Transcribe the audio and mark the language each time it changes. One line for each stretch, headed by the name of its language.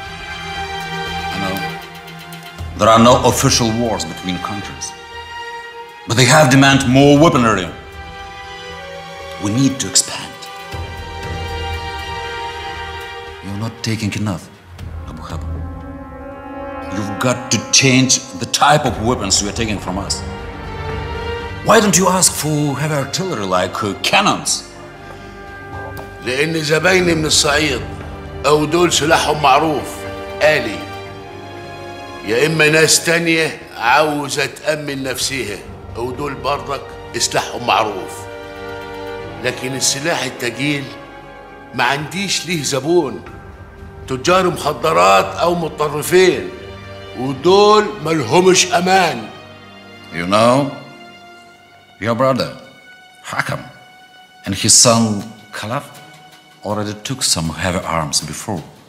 English: I know there are no official wars between countries, but they have demand more weaponry. We need to expand. You're not taking enough, Abu Haba. You've got to change the type of weapons you are taking from us. Why don't you ask for heavy artillery like cannons?
Arabic: لأن زبايني من الصعيد أو دول سلاحهم معروف آلي يا إما ناس تانية عاوزة تأمن نفسها أو دول برضك سلاحهم معروف لكن السلاح التقيل ما عنديش ليه زبون تجار مخدرات أو متطرفين ودول ملهمش أمان.
English: You know your brother, Hakam, and his son, Khalaf, already took some heavy arms before.